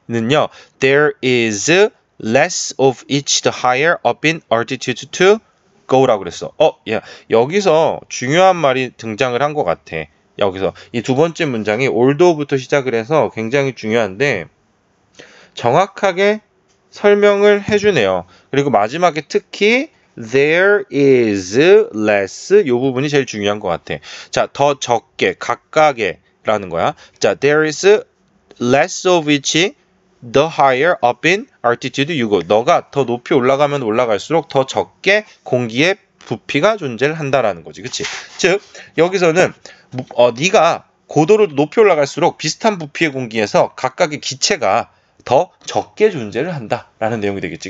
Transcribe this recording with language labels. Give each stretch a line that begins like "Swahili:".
Korean: 는요,
English: there is less of each the higher up in altitude to go
Korean: 라고 그랬어. 여기서 중요한 말이 등장을 한 것 같아. 여기서 이 두 번째 문장이 although부터 시작을 해서 굉장히 중요한데 정확하게 설명을 해주네요. 그리고 마지막에 특히
English: there is less
Korean: 요 부분이 제일 중요한 것 같아. 자, 더 적게 각각의 라는 거야. 자,
English: there is less of each the higher up in altitude you go.
Korean: 너가 더 높이 올라가면 올라갈수록 더 적게 공기의 부피가 존재를 한다라는 거지. 그치? 즉, 여기서는 네가 고도로 높이 올라갈수록 비슷한 부피의 공기에서 각각의 기체가 더 적게 존재를 한다라는 내용이 되겠지.